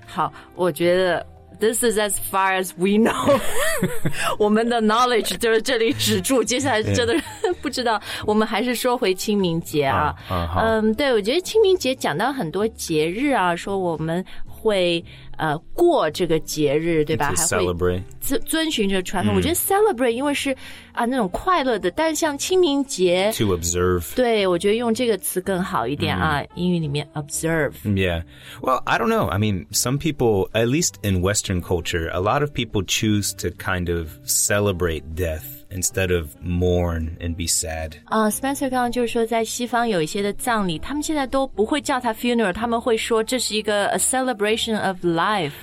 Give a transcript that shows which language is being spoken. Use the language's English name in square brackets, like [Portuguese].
[Chinese] 好，我觉得 [English] This is as far as we know. [Chinese] 我们的 knowledge 就是这里止住，接下来真的不知道。我们还是说回清明节啊。对，我觉得清明节讲到很多节日啊，说我们会过这个节日，对吧？ [English] Celebrate. [Chinese] 还会遵循这个传统。我觉得 celebrate 因为是那种快乐的，但像清明节 [English] to observe. [Chinese] 对，我觉得用这个词更好一点啊。英语里面 observe. [English] Yeah. Well, I don't know. I mean, some people, at least in Western culture, a lot of people choose to kind of celebrate death. Instead of mourn and be sad. [Chinese] Spencer 刚刚就是说在西方有一些的葬礼他们现在都不会叫它 funeral 他们会说这是一个 [English] a celebration of life.